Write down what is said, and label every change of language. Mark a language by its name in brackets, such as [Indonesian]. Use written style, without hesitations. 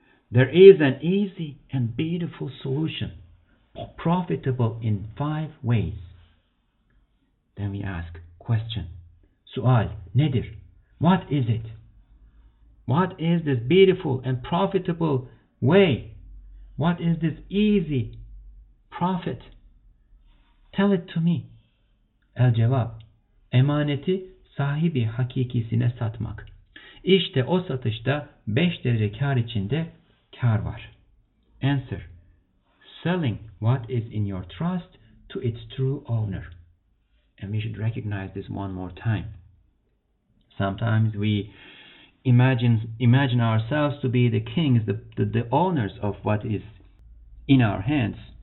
[English] There is an easy and beautiful solution, profitable in five ways. Then we ask, question, [Turkish] sual, nedir, [English] what is it? What is this beautiful and profitable way? What is this easy profit? Tell it to me. [Turkish] El cevap, emaneti sahibi hakikisine satmak. İşte o satışta 5 derece kar içinde kar var. [English] Answer, selling what is in your trust to its true owner. And we should recognize this one more time. Sometimes we imagine ourselves to be the kings, the owners of what is in our hands.